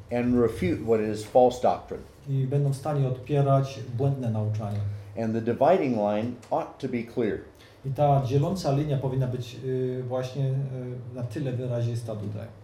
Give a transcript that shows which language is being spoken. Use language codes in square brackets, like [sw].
[en] And refute what is false doctrine. [pl] I będą w stanie odpierać błędne nauczanie. [en] And the dividing line ought to be clear. [pl] I ta dzieląca linia powinna być właśnie na tyle wyrazista tutaj.